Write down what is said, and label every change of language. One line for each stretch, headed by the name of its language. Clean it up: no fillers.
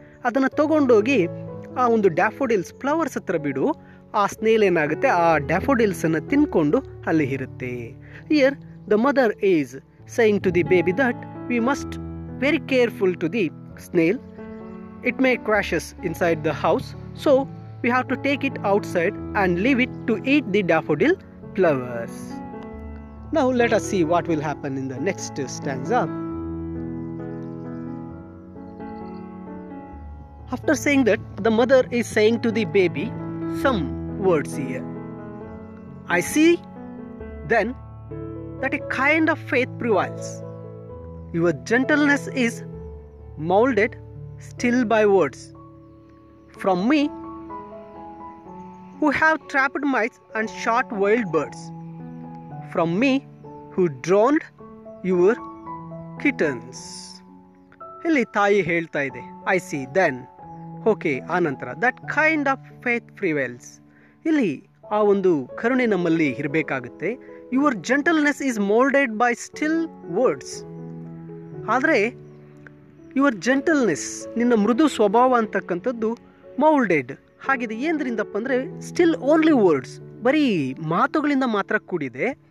Kannada: ಅದನ್ನು ತೊಗೊಂಡೋಗಿ ಆ ಒಂದು ಡ್ಯಾಫೋಡಿಲ್ಸ್ ಫ್ಲವರ್ಸ್ ಹತ್ರ ಬಿಡು, ಆ ಸ್ನೇಲ್ ಏನಾಗುತ್ತೆ ಆ ಡ್ಯಾಫೋಡಿಲ್ಸನ್ನು ತಿನ್ಕೊಂಡು ಅಲ್ಲಿ ಇರುತ್ತೆ.
English: Here the mother is saying to the baby that we must very careful to the snail, it may crashes inside the house, so we have to take it outside and leave it to eat the daffodil flowers. Now let us see what will happen in the next stanza. After saying that, the mother is saying to the baby some words here. I see then that a kind of faith prevails. Your gentleness is molded still by words from me who have trapped mice and shot wild birds. From me who drowned your kittens.
Kannada: ಇಲ್ಲಿ ತಾಯಿ ಹೇಳ್ತಾ ಇದೆ
English: I see then okay
Kannada: ಆನಂತರ
English: That kind of faith prevails.
Kannada: ಇಲ್ಲಿ ಆ ಒಂದು ಕರುಣೆ ನಮ್ಮಲ್ಲಿ ಇರಬೇಕಾಗುತ್ತೆ.
English: Your gentleness is moulded by still words.
Kannada: ಆದರೆ
English: your gentleness
Kannada: ನಿನ್ನ ಮೃದು ಸ್ವಭಾವ ಅಂತಕ್ಕಂಥದ್ದು ಮೌಲ್ಡೆಡ್ ಆಗಿದೆ ಏನ್ರಿಂದಪ್ಪ ಅಂದರೆ
English: still only words
Kannada: ಬರೀ ಮಾತುಗಳಿಂದ ಮಾತ್ರ ಕೂಡಿದೆ.